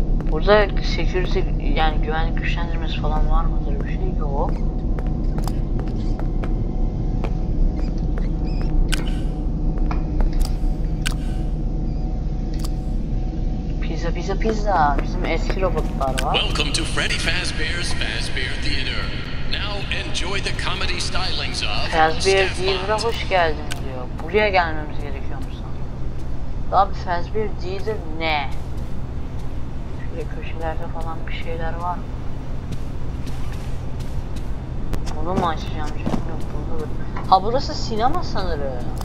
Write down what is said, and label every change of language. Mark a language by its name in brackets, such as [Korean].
[Turkish] Burada security, yani güvenlik güçlendirmesi falan var mıdır? Bir şey yok. Pizza, pizza, pizza. Bizim eski robotlar var. [English] Welcome to Freddy Fazbear's Fazbear Theater. Now enjoy the comedy stylings of Fazbear Theater'a [Turkish] hoş geldin diyor. Buraya gelmemiz gerekiyormuş sanırım. Abi Fazbear Theater ne? Şöyle köşelerde falan bir şeyler var mı? Bunu mu açacağım canım? Yok, burada da. Ha, burası sinema sanırım.